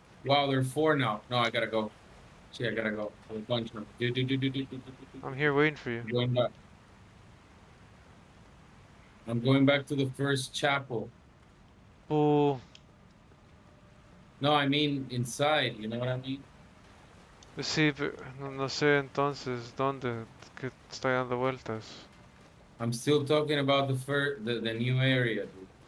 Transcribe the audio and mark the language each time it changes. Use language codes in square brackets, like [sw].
[en] Wow, there are four now. No, I gotta go. See, I gotta go. There's a bunch of them. I'm here waiting for you. Going back. I'm going back to the first chapel. Oh. No, I mean inside, you know what I mean? [es] Sí, pero no sé entonces dónde que estoy dando vueltas. [en] I'm still talking about the first, the new area, dude.